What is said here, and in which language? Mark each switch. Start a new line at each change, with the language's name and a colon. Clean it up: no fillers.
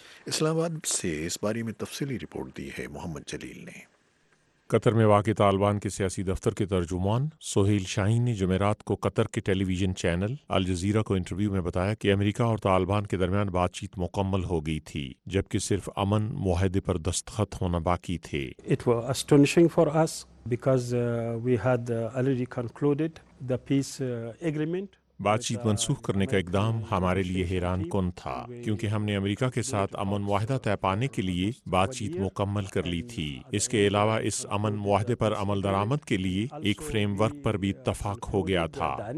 Urdu: اسلام آباد سے اس بارے میں تفصیلی رپورٹ دی ہے محمد جلیل نے. قطر میں واقع طالبان کے سیاسی دفتر کے ترجمان سہیل شاہین نے جمعرات کو قطر کے ٹیلی ویژن چینل الجزیرہ کو انٹرویو میں بتایا کہ امریکہ اور طالبان کے درمیان بات چیت مکمل ہو گئی تھی جبکہ صرف امن معاہدے پر دستخط ہونا باقی تھے.
English: It was astonishing for us because we had already concluded the peace agreement.
Urdu: بات چیت منسوخ کرنے کا اقدام ہمارے لیے حیران کن تھا کیونکہ ہم نے امریکہ کے ساتھ امن معاہدہ طے پانے کے لیے بات چیت مکمل کر لی تھی. اس کے علاوہ اس امن معاہدے پر عمل درآمد کے لیے ایک فریم ورک پر بھی اتفاق ہو گیا تھا.